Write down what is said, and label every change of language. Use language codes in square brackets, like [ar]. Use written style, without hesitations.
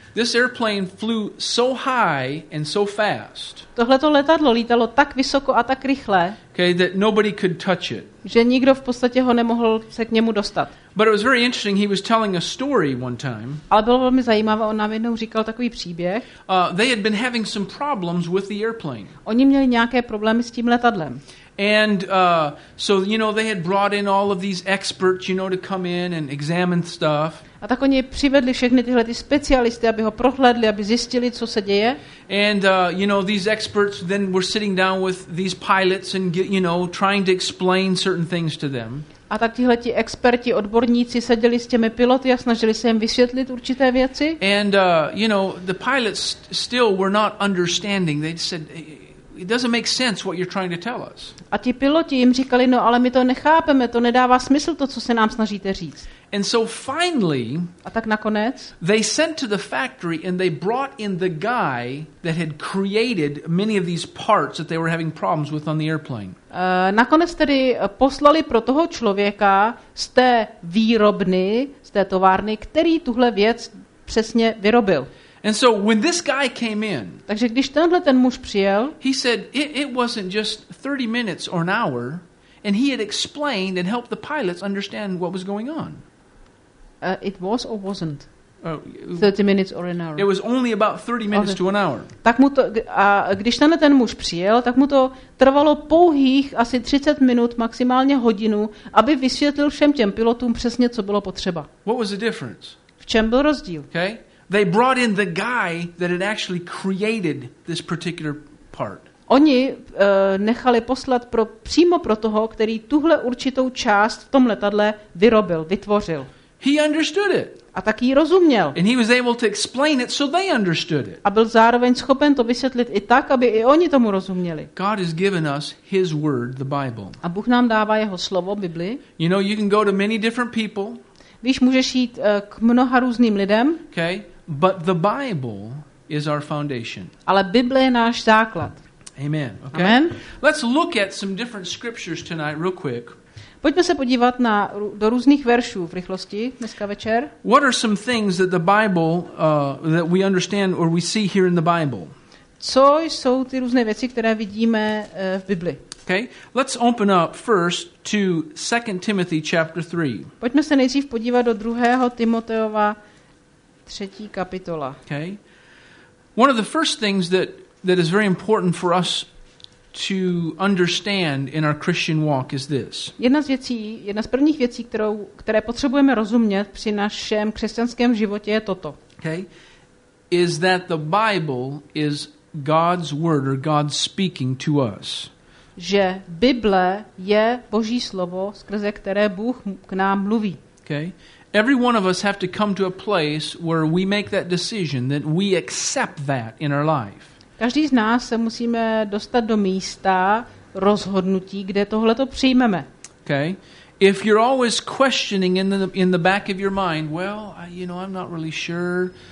[en] This airplane flew so high and so fast. [cs] Tohleto letadlo lítalo tak vysoko a tak rychle. [en] Okay, that nobody could touch it. [cs] Že nikdo v podstatě ho nemohl se k němu dostat. [en] But it was very interesting. He was telling a story one time. [cs] Ale bylo velmi zajímavé, on nám jednou říkal takový příběh. [en] They had been having some problems with the airplane. [cs] Oni měli nějaké problémy s tím letadlem. [en] And so you know they had brought in all of these experts you know to come in and examine stuff. [cs] A tak oni přivedli všechny tyhle ty specialisty, aby ho prohlédli, aby zjistili, co se děje. [en] And you know these experts then were sitting down with these pilots and you know trying to explain certain things to them. [cs] A tak tihle ti experti, odborníci seděli s těmi piloty a snažili se jim vysvětlit určité věci. [en] And you know the pilots still were not understanding. They said it doesn't make sense what you're trying to tell us. [cs] A ti piloti jim říkali, no ale my to nechápeme, to nedává smysl to, co se nám snažíte říct. [en] And so finally, [cs] a tak nakonec, [en] they sent to the factory and they brought in the guy that had created many of these parts that they were having problems with on the airplane. [cs] Nakonec tedy poslali pro toho člověka z té výrobny, z té továrny, který tuhle věc přesně vyrobil. [en] And so when this guy came in, [cs] takže když tenhle ten muž přijel, [en] he said it wasn't just 30 minutes or an hour, and he had explained and helped the pilots understand what was going on. It was or wasn't 30 minutes or an hour. It was only about 30 minutes to an hour. [cs] Tak mu to, a když tenhle ten muž přijel, tak mu to trvalo pouhých asi 30 minut, maximálně hodinu, aby vysvětlil všem těm pilotům přesně, co bylo potřeba. [en] What was the difference? [cs] V čem byl rozdíl? [en] Okay. They brought in the guy that had actually created this particular part. [cs] Oni nechali poslat přímo pro toho, který tuhle určitou část v tom letadle vyrobil, vytvořil. [en] He understood it. [cs] A tak jí rozuměl. [en] And he was able to explain it so they understood it. [cs] A byl zároveň schopen to vysvětlit i tak, aby i oni tomu rozuměli. [en] God has given us his word, the Bible. [cs] A Bůh nám dává jeho slovo, Bibli. [en] You know, you can go to many different people. [cs] Víš, můžeš jít k mnoha různým lidem. [en] Okay, but the Bible is our foundation. [cs] Ale Bible je náš základ. [en] Amen. Okay. Amen. Let's look at some different scriptures tonight real quick. [cs] Pojďme se podívat na do různých veršů v rychlosti dneska večer. [en] What are some things that the Bible that we understand or we see here in the Bible? [cs] Co jsou ty různé věci, které vidíme v Bibli? [en] Okay. Let's open up first to 2 Timothy chapter 3. [cs] Pojďme se nejdřív podívat do 2. Timoteova 3. kapitola. [en] Okay. One of the first things that is very important for us to understand in our Christian walk is this. [cs] Jedna z prvních věcí, které potřebujeme rozumět při našem křesťanském životě je toto. [en] Okay. Is that the Bible is God's word or God speaking to us. [cs] Že Bible je Boží slovo, skrze které Bůh k nám mluví. [en] Okay. Every one of us have to come to a place where we make that decision that we accept that in our life. [cs] Každý z nás se musíme dostat do místa rozhodnutí, kde tohle to přijmeme. [en] Okay. If you're always questioning in the back of your mind, well, I'm not really sure.